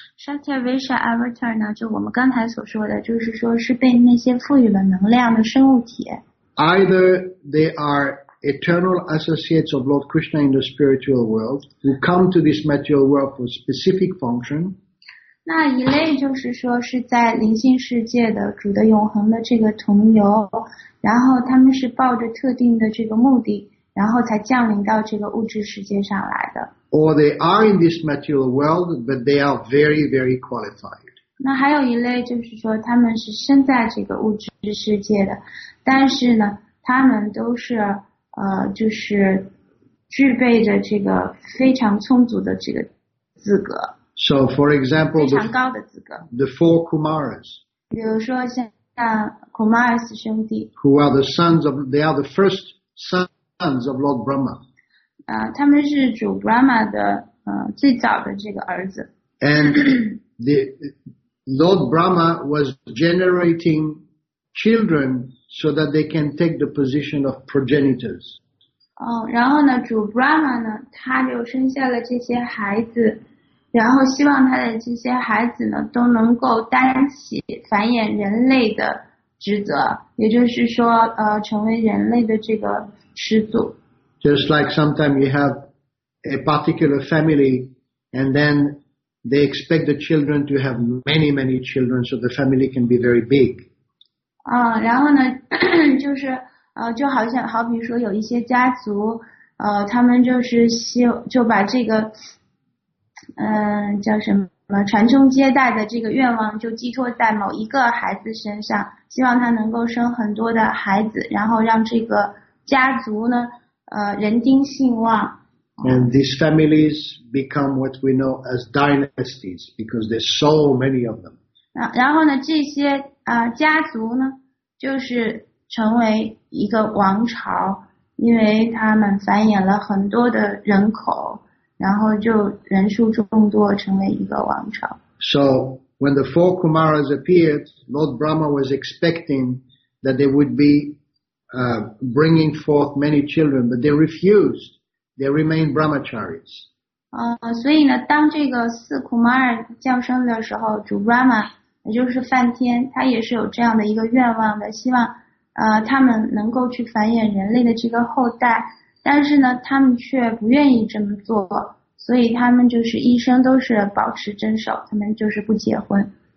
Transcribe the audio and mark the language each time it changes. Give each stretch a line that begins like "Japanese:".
Chinese: Shaktivesh avatar 呢，就我们刚才所说的，就是说是被那些赋予了能量的生物体。
English: Either they are eternal associates of Lord Krishna in the spiritual world who come to this material world for specific function.
Chinese: 那一类就是说是在灵性世界的主的永恒的这个同游，然后他们是抱着特定的这个目的，然后才降临到这个物质世界上来的。
English: Or they are in this material world, but they are very, very qualified.
Chinese: 那还有一类就是说他们是身在这个物质世界的，但是呢，他们都是就是具备着这个非常充足的这个资格。
English: So, for example,
Chinese: 非常高的资格。
English: The four Kumaras.
Chinese: 比如说像 Kumaras 兄弟。
English: Who are the sons of, they are the first sons of Lord Brahma.
Chinese: 他们是主 Brahma 的最早的这个儿子。
English: And the Lord Brahma was generating children so that they can take the position of progenitors.
Chinese: 然后呢，主 Brahma 呢，他就生下了这些孩子，然后希望他的这些孩子呢都能够担起繁衍人类的职责，也就是说，成为人类的这个始祖。
English: Just like sometimes you have a particular family and then they expect the children to have many, many children so the family can be very big.
Chinese: 然后呢就是就好像好比说有一些家族他们就是就把这个叫什么传宗接代的这个愿望就寄托在某一个孩子身上，希望他能够生很多的孩子，然后让这个家族呢人丁兴旺。
English: And these families become what we know as dynasties because there's so many of them.
Chinese: 然后呢，这些家族呢，就是成为一个王朝，因为他们繁衍了很多的人口，然后就人数众多，成为一个王朝。
English: So when the four Kumaras appeared, Lord Brahma was expecting that they would beBringing forth many children, but they refused. They remained brahmacharis.
Chinese: 所以呢，当这个四库玛尔降生的时候，主 Brahma 也就是梵天，他也是有这样的一个愿望的，希望他们能够去繁衍人类的这个后代。但是呢，他们却不愿意这么做，所以他们就是一生都是保持贞守，他们就是不结婚。